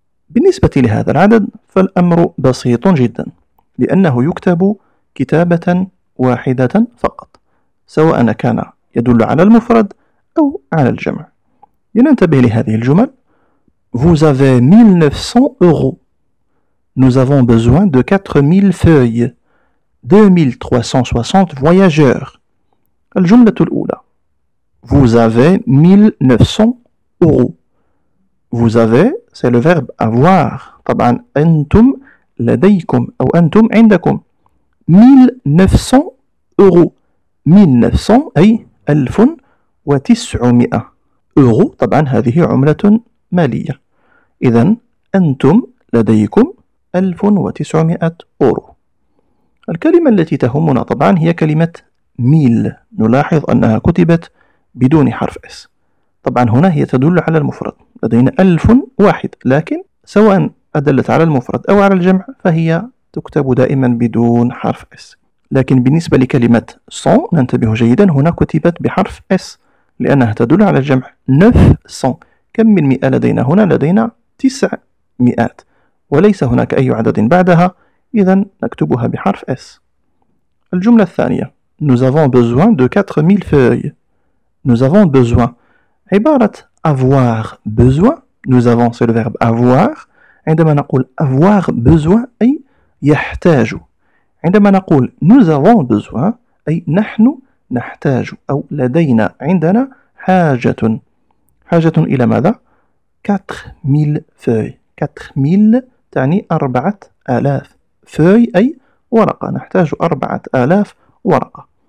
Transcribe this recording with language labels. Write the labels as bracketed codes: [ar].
[ar] بالنسبة لهذا العدد فالأمر بسيط جدا لأنه يكتب كتابة واحدة فقط، سواء كان يدل على المفرد أو على الجمع. لننتبه لهذه الجمل: [fr] Vous avez 1900 euros. Nous avons besoin de 4000 feuilles. 2360 voyageurs. [ar] الجملة الأولى: [fr] Vous avez 1900 euros. Vous avez, c'est le verbe avoir. [ar] طبعا أنتم لديكم أو أنتم عندكم. [fr] 1900 euros. 1900 أي 1900 euros. [ar] طبعا هذه عملة مالية. إذن أنتم لديكم 1900 أورو. الكلمة التي تهمنا طبعا هي كلمة ميل. نلاحظ أنها كتبت بدون حرف S. طبعا هنا هي تدل على المفرد، لدينا 1001، لكن سواء أدلت على المفرد أو على الجمع فهي تكتب دائما بدون حرف S. لكن بالنسبة لكلمة سون ننتبه جيدا، هنا كتبت بحرف S لأنها تدل على الجمع 900. كم من مئة لدينا هنا؟ لدينا 900 وليس هناك أي عدد بعدها، إذن نكتبها بحرف S. الجملة الثانية: [fr] Nous avons besoin de 4000 feuilles. Nous avons besoin. عبارة avoir besoin. Nous avons c'est le verbe avoir. [ar] عندما نقول [fr] avoir besoin [ar] أي يحتاج. عندما نقول [fr] nous avons besoin [ar] أي نحن نحتاج أو لدينا عندنا حاجة. حاجة إلى ماذا؟ [fr] 4000 feuilles. [ar] 4000 تعني 4000. Feuille أي ورقة، نحتاج 4000 ورقة.